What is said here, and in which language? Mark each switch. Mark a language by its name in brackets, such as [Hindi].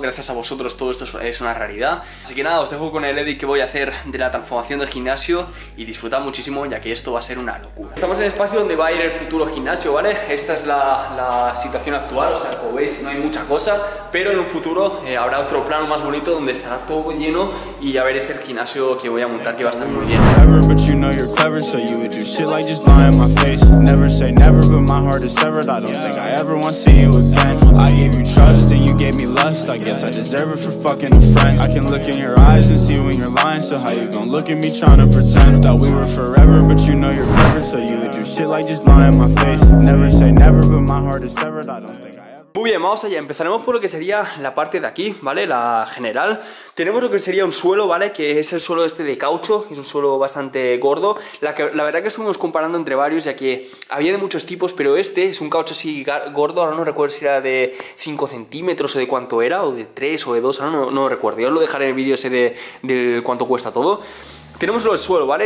[Spanish] Gracias a vosotros todo esto es una realidad. Así que nada, os dejo con el edit que voy a hacer de la transformación del gimnasio y disfrutad muchísimo, ya que esto va a ser una locura. Estamos en el espacio donde va a ir el futuro gimnasio, ¿vale? Esta es la situación actual, o sea, como veis no hay mucha cosa, pero en un futuro habrá otro plano más bonito donde estará todo lleno y ya veréis el gimnasio que voy a montar, que va a estar muy bien. [English] But you know you're clever, so you would do shit like just lie in my face. Never say never, but my heart is severed. I don't think I ever want to see you again. I gave you trust and you gave me lust. I guess I deserve it for fucking a friend. I can look in your eyes and see when you're lying. So how you gonna look at me trying to pretend that we were forever, but you know you're clever, so you would do shit like just lie in my face. Never say never, but my heart is severed. I don't think I [Spanish] Muy bien, vamos allá, empezaremos por lo que sería la parte de aquí, ¿vale? La general. Tenemos lo que sería un suelo, ¿vale? Que es el suelo este de caucho, es un suelo bastante gordo. La verdad que estuvimos comparando entre varios, ya que había de muchos tipos, pero este es un caucho así gordo. Ahora no recuerdo si era de 5 centímetros o de cuánto era, o de 3 o de 2, ahora no recuerdo. Yo os lo dejaré en el vídeo ese de cuánto cuesta todo. Tenemos lo del suelo, ¿vale?